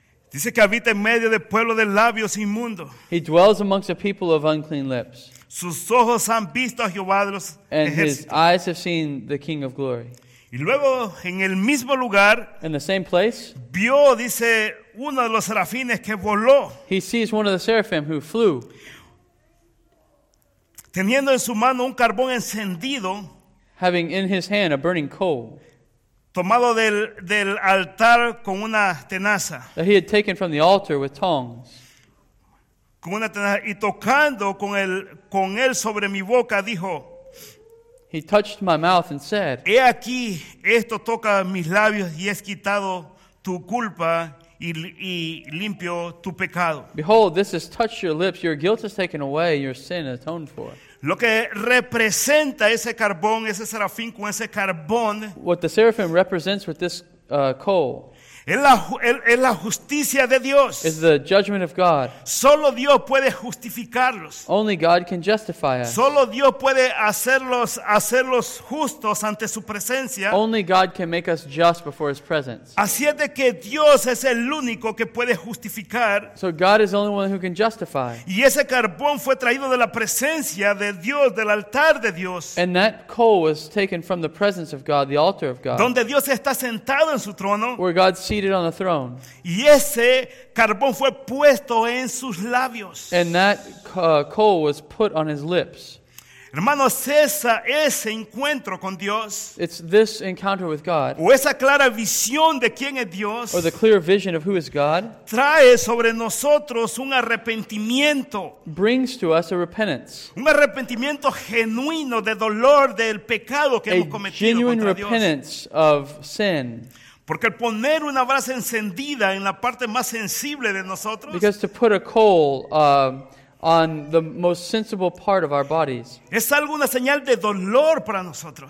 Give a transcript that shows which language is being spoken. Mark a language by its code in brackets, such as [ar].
[es] Dice que habita en medio del pueblo de labios inmundo. [en] He dwells amongst the people of unclean lips. [es] Sus ojos han visto a Jehová de los ejércitos. [en] And his eyes have seen the King of Glory. [es] Y luego en el mismo lugar. [en] In the same place. [es] Vio, dice, uno de los serafines que voló. [en] He sees one of the seraphim who flew. [es] Teniendo en su mano un carbón encendido. [en] Having in his hand a burning coal. [es] Tomado del altar con una tenaza. [en] That he had taken from the altar with tongs. [es] Con una tenaza, y tocando con él sobre mi boca dijo. [en] He touched my mouth and said. [es] He aquí, esto toca mis labios y es quitado tu culpa y limpio tu pecado. [en] Behold, this has touched your lips. Your guilt is taken away. Your sin is atoned for. [es] Lo que representa ese carbón, ese serafín con ese carbón. [en] What the seraphim represents with this coal. [es] Es la justicia de Dios. [en] Is the judgment of God. [es] Solo Dios puede justificarlos. [en] Only God can justify us. [es] Solo Dios puede hacerlos justos ante su presencia. [en] Only God can make us just before his presence. [es] Así es de que Dios es el único que puede justificar. [en] So God is the only one who can justify. [es] Y ese carbón fue traído de la presencia de Dios, del altar de Dios. [en] And that coal was taken from the presence of God, the altar of God. [es] Donde Dios está sentado en su trono. [en] Where God seated on the throne. [es] Y ese carbón fue puesto en sus labios. [en] And that coal was put on his lips. [es] Hermanos, ese encuentro con Dios. [en] It's this encounter with God. [es] O esa clara visión de quién es Dios. [en] Or the clear vision of who is God. [es] Trae sobre nosotros un arrepentimiento. [en] Brings to us a repentance. [es] Un arrepentimiento genuino de dolor del pecado que hemos cometido contra Dios. [en] A genuine repentance of sin. [es] Porque el poner una brasa encendida en la parte más sensible de nosotros. [en] Because to put a coal on the most sensible part of our bodies. [es] Es algo, una señal de dolor para nosotros.